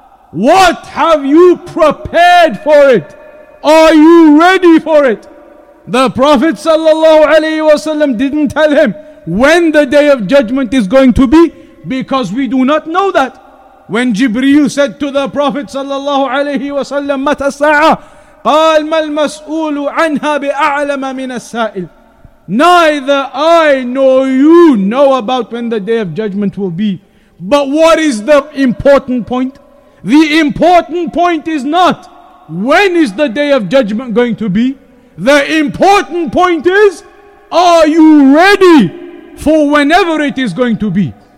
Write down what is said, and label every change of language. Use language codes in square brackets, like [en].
[en] What have you prepared for it? Are you ready for it? The Prophet sallallahu alaihi wasallam didn't tell him when the Day of Judgment is going to be, because we do not know that. When Jibreel said to the Prophet sallallahu alaihi wasallam, [ar] "Mata sa'a?" قال ما المسؤول عنها بأعلم من السائل. [en] Neither I nor you know about when the Day of Judgment will be. But what is the important point? The important point is not when is the Day of Judgment going to be. The important point is, are you ready for whenever it is going to be?